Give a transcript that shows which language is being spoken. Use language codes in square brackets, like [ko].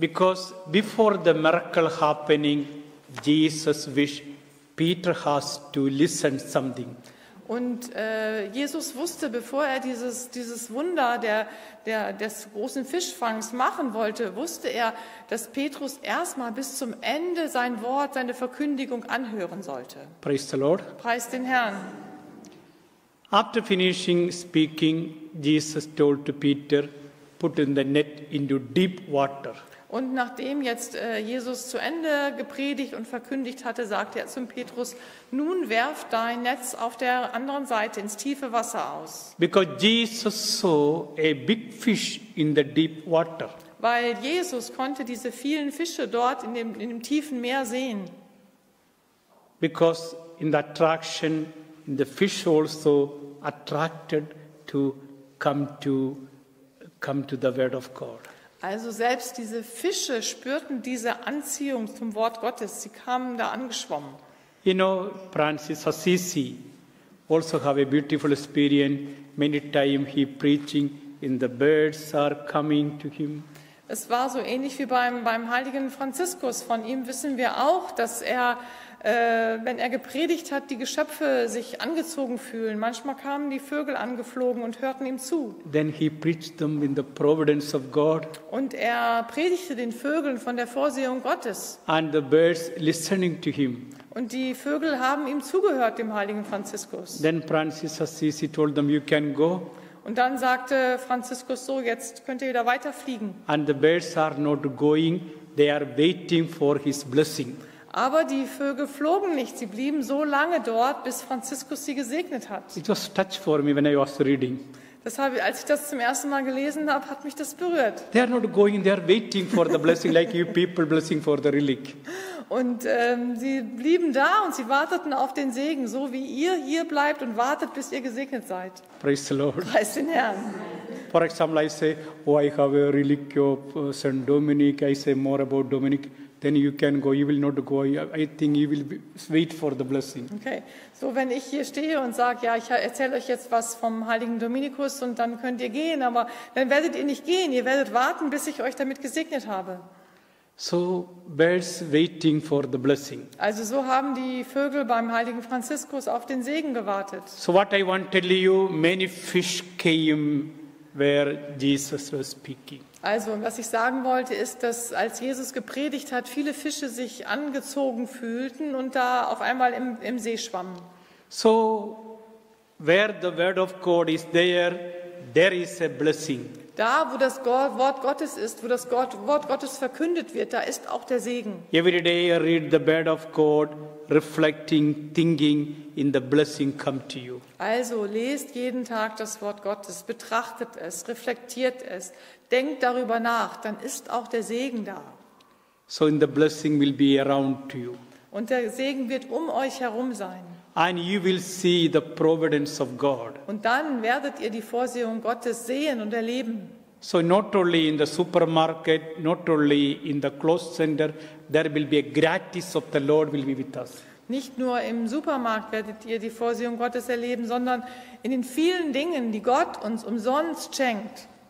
[en] Because before the miracle happening, Jesus wished Peter has to listen something. [de] Und Jesus wusste, bevor er dieses Wunder des großen Fischfangs machen wollte, wusste er, dass Petrus erstmal bis zum Ende sein Wort, seine Verkündigung anhören sollte. [en] Praise the Lord. [de] Preist den Herrn. [en] After finishing speaking, Jesus told to Peter, put in the net into deep water. [de] Und nachdem jetzt Jesus zu Ende gepredigt und verkündigt hatte, sagte er zum Petrus, nun werf dein Netz auf der anderen Seite ins tiefe Wasser aus. [en] Because Jesus saw a big fish in the deep water. [de] Weil Jesus konnte diese vielen Fische dort in dem tiefen Meer sehen. [en] Because in the attraction, the fish also attracted to come to the word of God. [de] Also selbst diese Fische spürten diese Anziehung zum Wort Gottes. Sie kamen da angeschwommen. [en] You know, Francis Assisi also have a beautiful experience. Many times he preaching and the birds are coming to him. [de] Es war so ähnlich wie beim heiligen Franziskus. Von ihm wissen wir auch, dass er, wenn er gepredigt hat, die Geschöpfe sich angezogen fühlen. Manchmal kamen die Vögel angeflogen und hörten ihm zu. [en] Then he preached them in the providence of God. [de] Und er predigte den Vögeln von der Vorsehung Gottes. [en] And the birds listening to him. [de] Und die Vögel haben ihm zugehört, dem heiligen Franziskus. [en] Then Francis Assisi told them, you can go. [de] Und dann sagte Franziskus so, jetzt könnt ihr wieder weiterfliegen. [en] And the birds are not going, they are waiting for his blessing. [de] Aber die Vögel flogen nicht, sie blieben so lange dort, bis Franziskus sie gesegnet hat. [en] It was touched for me when I was reading. [de] Als ich das zum ersten Mal gelesen habe, hat mich das berührt. [en] They are not going, they are waiting for the blessing, like you people blessing for the relic. [de] Und sie blieben da und sie warteten auf den Segen, so wie ihr hier bleibt und wartet, bis ihr gesegnet seid. [en] Praise the Lord. [de] Preist den Herrn. [en] For example, I say, oh, I have a relic of St. Dominic. I say more about Dominic. Then you can go. You will not go. I think you will wait for the blessing. Okay. [de] So, wenn ich hier stehe und sage, ja, ich erzähle euch jetzt was vom heiligen Dominikus und dann könnt ihr gehen, aber dann werdet ihr nicht gehen. Ihr werdet warten, bis ich euch damit gesegnet habe. [en] So birds waiting for the blessing. [de] Also so haben die Vögel beim heiligen Franziskus auf den Segen gewartet. [en] So what I want to tell you, many fish came where Jesus was speaking. [de] Also was ich sagen wollte ist, dass als Jesus gepredigt hat, viele Fische sich angezogen fühlten und da auf einmal im See schwammen. [en] So where the word of God is there, there is a blessing. [de] Da, wo das Wort Gottes ist, wo das Wort Gottes verkündet wird, da ist auch der Segen. [en] Every day I read the word of God, reflecting, thinking in the blessing come to you. [de] Also lest jeden Tag das Wort Gottes, betrachtet es, reflektiert es, denkt darüber nach, dann ist auch der Segen da. [en] So in the blessing will be around to you. [de] Und der Segen wird um euch herum sein. [en] And you will see the providence of God. [de] Und dann werdet ihr die Vorsehung Gottes sehen und erleben. [en] So not only in the supermarket, not only in the clothes center, there will be a gratis of the Lord will be with us. [de] Nicht nur im Supermarkt werdet ihr die Vorsehung Gottes erleben, sondern in den vielen Dingen, die Gott uns umsonst schenkt.